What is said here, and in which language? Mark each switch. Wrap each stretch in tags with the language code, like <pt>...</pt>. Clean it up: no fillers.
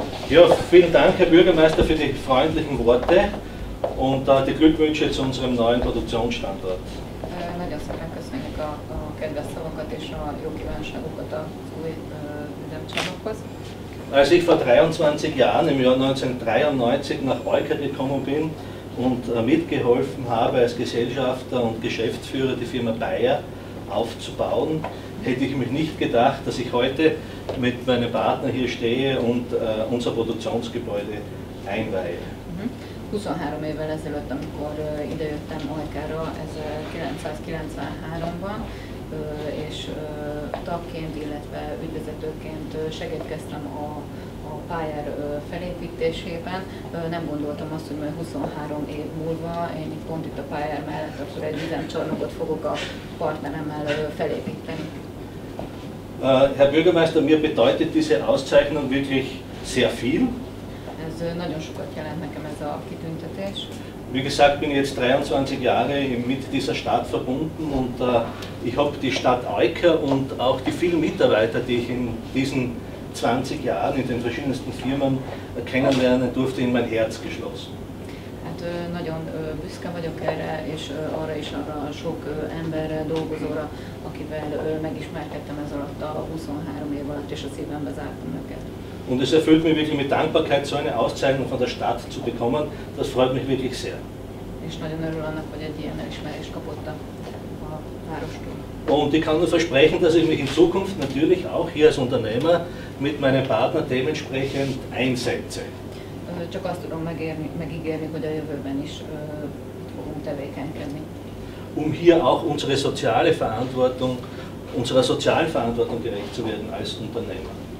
<de>Ja, vielen Dank, Herr Bürgermeister, für die freundlichen Worte und die Glückwünsche zu unserem neuen Produktionsstandort.</de> <hu>Nagyon szépen köszönjük a kedves szavakat és a jó kívánságokat az új üzemcsarnokhoz.</hu> <de>Als ich vor 23 Jahren, im Jahr 1993, nach Ajka gekommen bin und mitgeholfen habe, als Gesellschafter und Geschäftsführer die Firma Bayer aufzubauen, hätte ich mich nicht gedacht, dass ich heute mit meinem Partner hier stehe und unser Produktionsgebäude einweihe.</de> <hu>23 évvel ezelőtt, amikor idejöttem Ajkára, ez 1993-ban, és tagként, illetve ügyvezetőként segítkeztem a pályár felépítésében. Nem gondoltam azt, hogy majd 23 év múlva én itt pont itt a pályár mellett akkor egy üzemcsarnokot fogok a partneremmel felépíteni.</hu> <de>Herr Bürgermeister, mir bedeutet diese Auszeichnung wirklich sehr viel.</de> <hu>Ez nagyon sokat jelent nekem ez a kitüntetés.</hu> <de>Wie gesagt, bin jetzt 23 Jahre mit dieser Stadt verbunden und ich habe die Stadt Ajka und auch die vielen Mitarbeiter, die ich in diesen 20 Jahren in den verschiedensten Firmen kennenlernen durfte, in mein Herz geschlossen.</de> <hu>Hát nagyon büszke vagyok erre, és arra is arra a sok emberre, dolgozóra, akivel megismerkedtem ez alatt a 23 év alatt, és a szívembe zártam őket.</hu> <de>Und es erfüllt mich wirklich mit Dankbarkeit, so eine Auszeichnung von der Stadt zu bekommen. Das freut mich wirklich sehr.</de> <hu>És nagyon örül annak, hogy egy ilyen elismerést kapott a várostól.</hu> <de>Und ich kann nur versprechen, dass ich mich in Zukunft natürlich auch hier als Unternehmer mit meinem Partner dementsprechend einsetze.</de> <hu>Csak azt tudom megígérni, hogy a jövőben is fogunk tevékenykedni.</hu> <de>Um hier auch unserer sozialen Verantwortung gerecht zu werden als Unternehmer.</de>